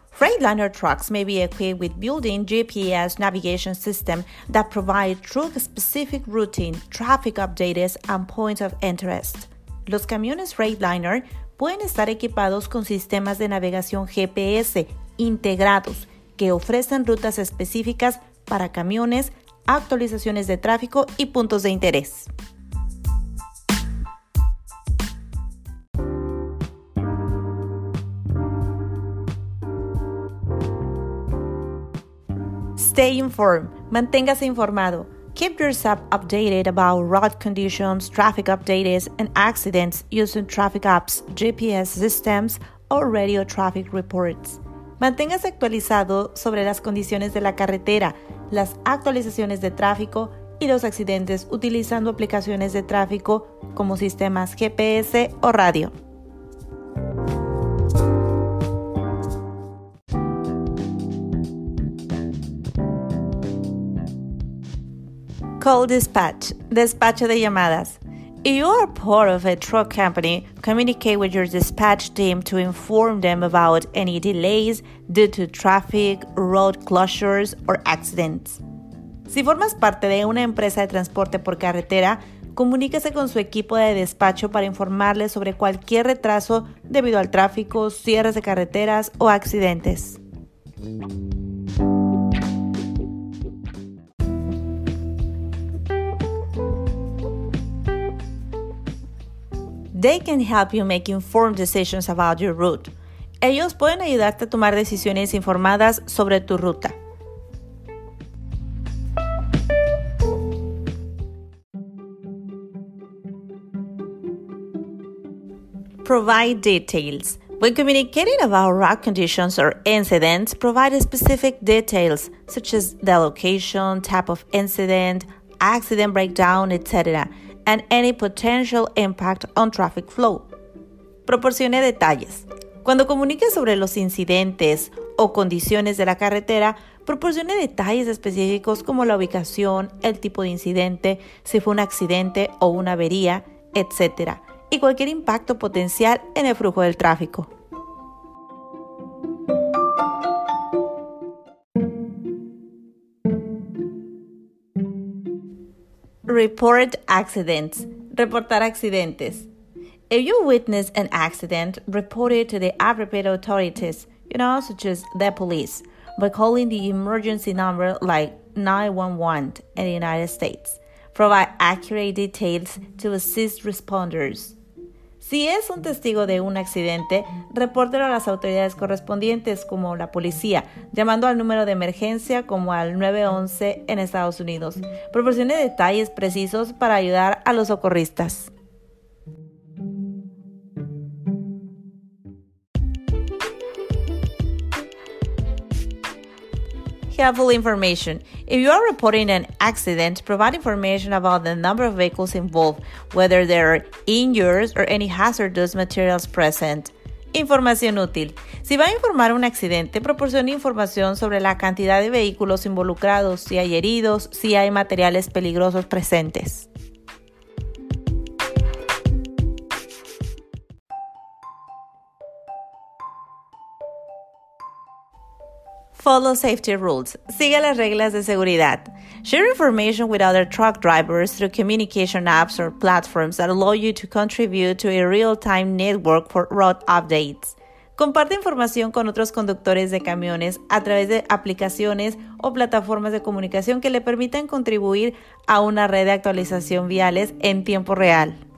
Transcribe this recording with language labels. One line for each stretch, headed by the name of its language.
English: Freightliner trucks may be equipped with built-in GPS navigation system that provide truck-specific routing, traffic updates, and points of interest.
Spanish: Los camiones Freightliner pueden estar equipados con sistemas de navegación GPS integrados que ofrecen rutas específicas para camiones, actualizaciones de tráfico y puntos de interés.
English: Stay informed.
Spanish: Manténgase informado.
English: Keep yourself updated about road conditions, traffic updates, and accidents using traffic apps, GPS systems, or radio traffic reports.
Spanish: Manténgase actualizado sobre las condiciones de la carretera, las actualizaciones de tráfico y los accidentes utilizando aplicaciones de tráfico como sistemas GPS o radio.
English: Call dispatch,
Spanish: despacho de llamadas.
English: If you are part of a truck company, communicate with your dispatch team to inform them about any delays due to traffic, road closures, or accidents.
Spanish: Si formas parte de una empresa de transporte por carretera, comuníquese con su equipo de despacho para informarles sobre cualquier retraso debido al tráfico, cierres de carreteras o accidentes.
English: They can help you make informed decisions about your route.
Spanish: Ellos pueden ayudarte a tomar decisiones informadas sobre tu ruta.
English: Provide details. When communicating about road conditions or incidents, provide specific details such as the location, type of incident, accident breakdown, etc., and any potential impact on traffic flow.
Spanish: Proporcione detalles. Cuando comunique sobre los incidentes o condiciones de la carretera, proporcione detalles específicos como la ubicación, el tipo de incidente, si fue un accidente o una avería, etc., y cualquier impacto potencial en el flujo del tráfico.
English: Report accidents.
Spanish: Reportar accidentes.
English: If you witness an accident, report it to the appropriate authorities, you know, such as the police, by calling the emergency number like 911 in the United States. Provide accurate details to assist responders.
Spanish: Si es un testigo de un accidente, repórtelo a las autoridades correspondientes como la policía, llamando al número de emergencia como al 911 en Estados Unidos. Proporcione detalles precisos para ayudar a los socorristas.
English: Helpful information. If you are reporting an accident, provide information about the number of vehicles involved, whether there are injuries or any hazardous materials present.
Spanish: Información útil. Si va a informar un accidente, proporcione información sobre la cantidad de vehículos involucrados, si hay heridos, si hay materiales peligrosos presentes.
English: Follow safety rules.
Spanish: Siga las reglas de seguridad.
English: Share information with other truck drivers through communication apps or platforms that allow you to contribute to a real-time network for road updates.
Spanish: Comparte información con otros conductores de camiones a través de aplicaciones o plataformas de comunicación que le permitan contribuir a una red de actualización viales en tiempo real.